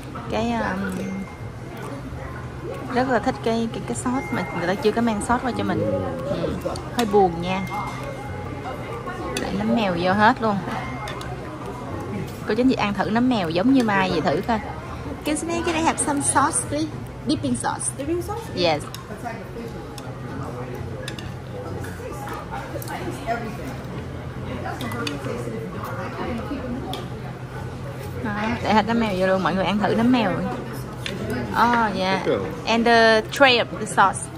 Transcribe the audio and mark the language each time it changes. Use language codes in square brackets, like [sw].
[vi] Cái rất là thích cái sốt mà người ta chưa có mang sốt qua cho mình. Hơi buồn nha. Để nấm mèo vô hết luôn. Cô chính chị ăn thử nấm mèo giống như Mai vậy thử coi. [en] Can I have some sauce, please? Dipping sauce. Dipping sauce? Yes. [vi] Để hết nấm mèo vô luôn, mọi người ăn thử nấm mèo. [en] Oh yeah, and the tray of the sauce.